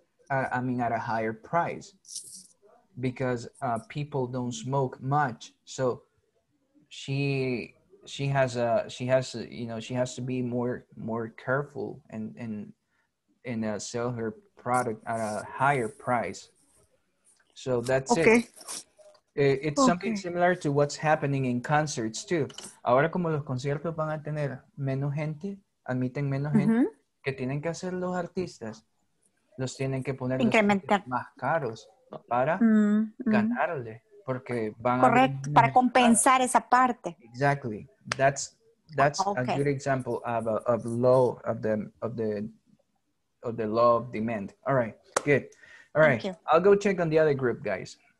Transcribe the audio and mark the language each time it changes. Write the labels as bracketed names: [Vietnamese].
[English] At a higher price, because people don't smoke much, so she has to be more careful and sell her product at a higher price. So that's okay. It's something similar to what's happening in concerts too. [Spanish] Ahora como los conciertos van a tener menos gente, admiten menos gente, que tienen que hacer los artistas. Los tienen que poner más caros para ganarle, porque van [English] correct, [Spanish] a para compensar caros. Esa parte. [English] Exactly. That's okay. A good example of the law of demand. All right. Good. All right. Thank you. I'll go check on the other group, guys.